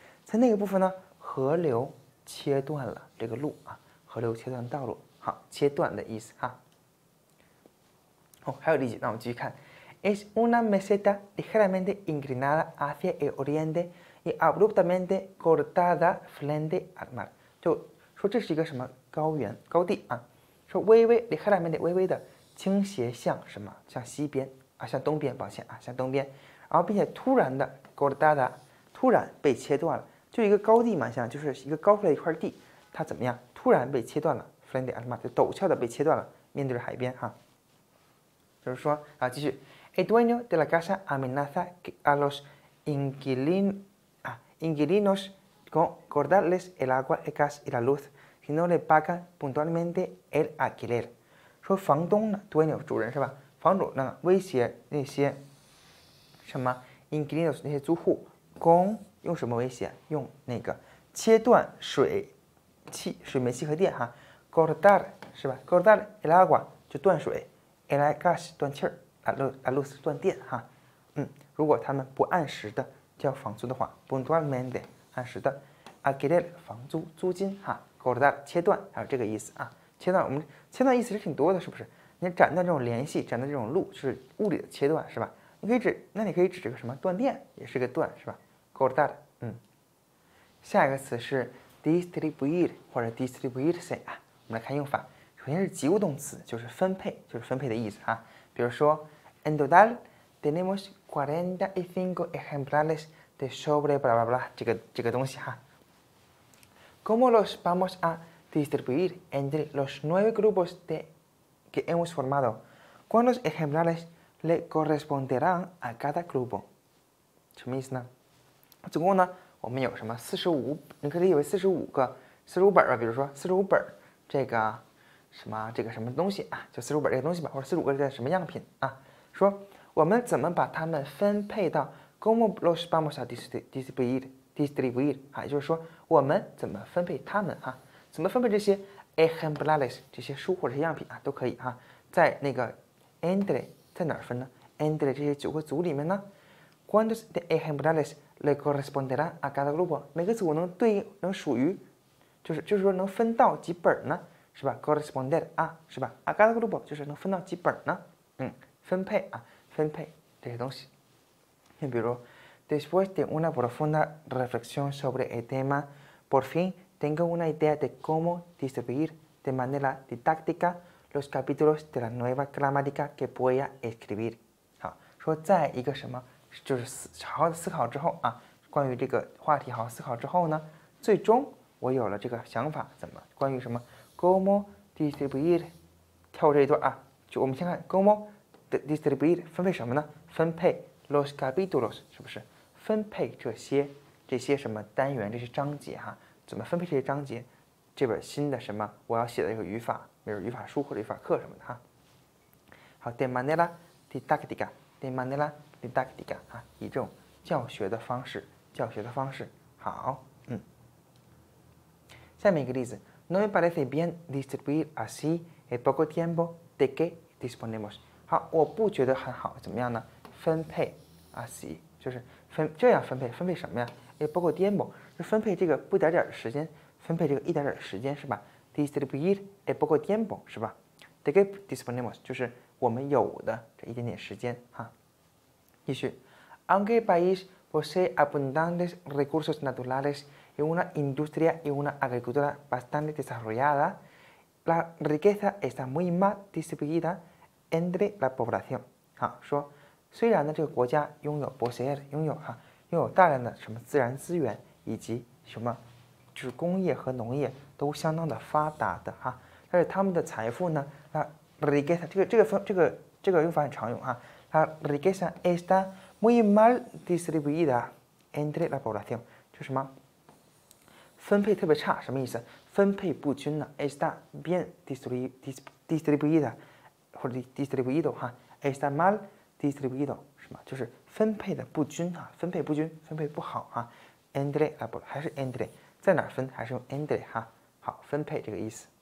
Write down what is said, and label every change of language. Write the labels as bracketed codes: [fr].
[zh] 在那个部分呢，河流切断了这个路啊，河流切断道路，好，切断的意思哈。哦，还有例句，那我们继续看。 [es] Es una meseta ligeramente inclinada hacia el oriente y abruptamente cortada frente al mar. [zh] 就说这是一个什么高原高地啊？说微微 ligeramente 微微的倾斜向什么？向西边啊？向东边？抱歉啊，向东边。然后并且突然的 cortada 突然被切断了，就一个高地嘛，像就是一个高出来一块地，它怎么样？突然被切断了 [es] frente al mar， [zh] 就陡峭的被切断了，面对着海边哈、啊。就是说啊，继续。 [es] El dueño de la casa amenaza a los inquilinos con cortarles el agua, el gas y la luz si no le pagan puntualmente el alquiler. [zh] 说房东呢 ，dueño 主人是吧？房主呢威胁那些什么 inquilinos 那些租户 ，con 用什么威胁？用那个切断水煤气和电哈 ，cortar 是吧 ？ [es] cortar el agua [zh] 就断水 ，el gas 断气儿。 luz 断电哈，如果他们不按时的交房租的话 ，puntualmente 按时的 ，alquiler 房租租金哈 ，cortar 切断，还有这个意思啊，切断我们切断意思是挺多的，是不是？你斩断这种联系，斩断这种路，就是物理的切断是吧？你可以指，那你可以指这个什么断电，也是个断是吧 ？cortar， 下一个词是 distribuir 或者 distribuirse 啊，我们来看用法，首先是及物动词，就是分配的意思啊。比如说 [es] ，en total tenemos 45 ejemplares de sobre bla bla bla [zh] 这个东西哈。 [es] ¿Cómo los vamos a distribuir entre los 9 grupos de que hemos formado? ¿Cuántos ejemplares le corresponderán a cada grupo? [zh] 什么意思呢？总共呢，我们有什么45？你可以以为45本吧，比如说45本这个。什么这个什么东西啊？就45本这个东西吧，或者45个这个什么样品啊？说我们怎么把它们分配到 ？ [es] Cómo los vamos a distribuir [zh] 啊？也就是说我们怎么分配它们啊？怎么分配这些 ejemplares 这些书或者是样品啊，都可以哈、啊。在那个 [es] entre [zh] 在哪儿分呢 [es] ？entre [zh] 这些九个组里面呢 [es] ，cuántos de ejemplares le corresponderá a cada grupo？ [zh] 每个组能对应能属于，就是说能分到几本呢？是吧 ？corresponder 啊，是吧 ？ [es] a cada grupo [zh] 就是能分到几本呢？分配啊，分配这些东西。你比如 [es] ，después de una profunda reflexión sobre el tema， por fin tengo una idea de cómo distribuir de manera didáctica los capítulos de la nueva gramática que voy a escribir。 [zh] 好，说在一个什么，就是好好思考之后啊，关于这个话题好好思考之后呢，最终我有了这个想法，怎么关于什么 [es] cómo distribuir， [zh] 跳过这一段啊，就我们先看 cómo distribuir 分配什么呢？分配。 [es] Los capítulos [zh] 是不是分配这些什么单元这些章节哈、啊？怎么分配这些章节？这本新的什么我要写的一个语法，比如语法书或者语法课什么的哈。好 ， [es] de manera didáctica， [zh] de manera didáctica 啊，以这种教学的方式。好，下面一个例子 [es] ，No me parece bien distribuir así el poco tiempo de que disponemos。 [zh] 好，我不觉得很好，怎么样呢？分配啊，西就是分这样分配，分配什么呀？也包括 demo， 就分配这个不点点的时间，分配这个一点点的时间是吧 ？Distribuir， 也包括 demo 是吧 ？ [es] De que disponemos， [zh] 就是我们有的这一点点时间哈。继续 [es] ，Aunque el país posee abundantes recursos naturales y una industria y una agricultura bastante desarrollada， la riqueza está muy mal distribuida entre la población。 [zh] 哈，说。虽然呢，这个国家拥有 poseer 拥有大量的什么自然资源以及什么，就是工业和农业都相当的发达的哈，但是他们的财富呢，那 riqueza 这个用法很常用哈，那 [es] riqueza está muy mal distribuida entre la población， [zh] 就什么分配特别差，什么意思？分配不均呢 [es] ？está bien distribuida [zh] 或者 [es] distribuido 哈 ，está mal。 [zh] distribuido 是吗？就是分配的不均啊，分配不好啊。entre 啊不，还是 entre， 在哪分？还是用 entre 哈、啊？好，分配这个意思。